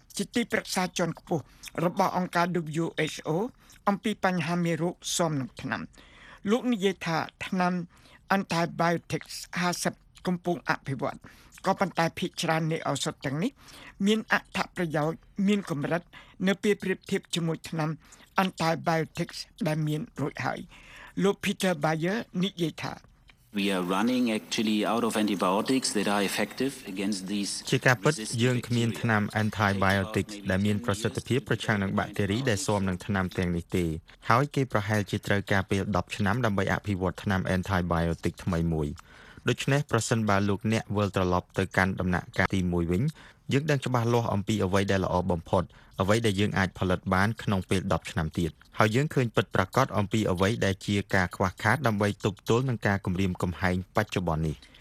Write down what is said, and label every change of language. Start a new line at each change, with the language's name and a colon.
Khmer: ជាទីប្រឹក្សាជាន់ខ្ពស់របស់អង្គការ WHO អំពីបញ្ហាមេរោគសមនឹងថ្នាំលោកនិយាយថាថ្នាំ Antibiotics 50កំពុងអភិវឌ្ឍក៏ប៉ុន្តែភាគច្រើននៃឱសថទាំងនេះមានអត្ថប្រយោជន៍មានកម្រិតនៅពេលប្រៀបធៀបជាមួយថ្នាំ Antibiotics ដែលមានរួចហើយលោក Peter Bayer និយាយថា
English: We are running actually out of antibiotics that are effective against these
Khmer: ជាការពិតយើងគ្មានថ្នាំ antibiotics ដែលមានប្រសិទ្ធភាពប្រឆាំងនឹងបាក់តេរីដែលស៊ាំនឹងថ្នាំទាំងនេះទេហើយគេប្រហែលជាត្រូវការពេល10ឆ្នាំដើម្បីអភិវឌ្ឍថ្នាំ antibiotic ថ្មីមួយដូច្នេះប្រសិនបើលោកអ្នកវិលត្រឡប់ទៅកាន់ដំណាក់កាលទី1វិញយើងដឹងច្បាស់លាស់អំពីអ្វីដែលល្អបំផុតអ្វីដែលយើងអាចផលិតបានក្នុងពេល10ឆ្នាំទៀតហើយយើងឃើញពិតប្រាកដអំពីអ្វីដែលជាការខ្វះខាតដើម្បីទប់ទល់នឹងការគំរាមកំហែងបច្ចុប្បន្ននេះ